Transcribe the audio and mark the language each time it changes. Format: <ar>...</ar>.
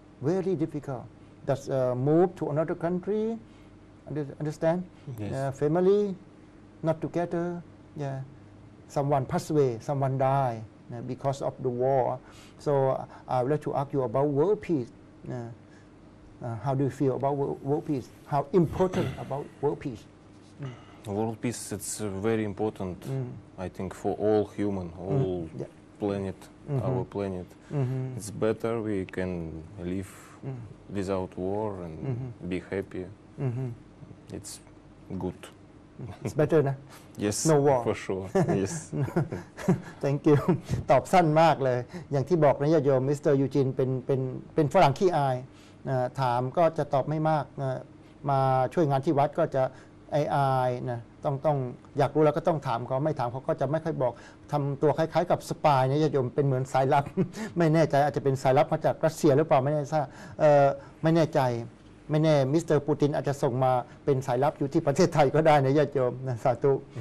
<en>very difficult that's move to another country understand family not together yeah someone pass away someone die yeah, because of the war so I would like to ask you about world peace how do you feel about world peace how important about world peace world peace it's very important I think for all human all planet our planet it's better we can live without war and be happy it's good It's better นะ Yes No war for sure Yes Thank you</en> <th>ตอบสั้นมากเลยอย่างที่บอกนะญาติโยมมิสเตอร์ยูจินเป็นฝรั่งขี้อายนะถามก็จะตอบไม่มากนะมาช่วยงานที่วัดก็จะไอนะต้องอยากรู้แล้วก็ต้องถามเขาไม่ถามเขาก็จะไม่ค่อยบอกทำตัวคล้ายๆกับสปายนะญาติโยมเป็นเหมือนสายลับไม่แน่ใจอาจจะเป็นสายลับมาจากรัสเซียหรือเปล่าไม่แน่ทราบไม่แน่ใจไม่แน่มิสเตอร์ปูตินอาจจะส่งมาเป็นสายลับอยู่ที่ประเทศไทยก็ได้นะญาติโยมนะสาธุ</th>